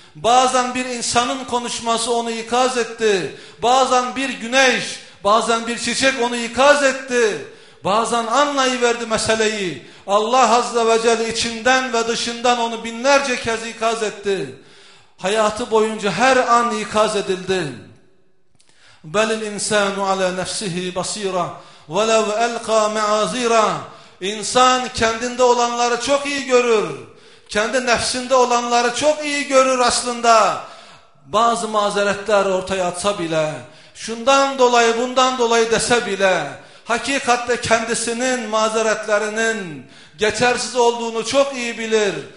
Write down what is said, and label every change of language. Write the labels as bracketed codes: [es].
[tr] Bazen bir insanın konuşması onu ikaz etti. Bazen bir güneş, bazen bir çiçek onu ikaz etti. Bazen anlayıverdi meseleyi. Allah Azze ve Celle içinden ve dışından onu binlerce kez ikaz etti. Hayatı boyunca her an ikaz edildi. [ar] بَلِ الْاِنْسَانُ عَلَى نَفْسِهِ بَصِيرًا وَلَوْ اَلْقَى مَعَذِيرًا [tr] İnsan kendinde olanları çok iyi görür. Kendi nefsinde olanları çok iyi görür aslında. Bazı mazeretler ortaya atsa bile, şundan dolayı bundan dolayı dese bile, hakikatte kendisinin mazeretlerinin geçersiz olduğunu çok iyi bilir.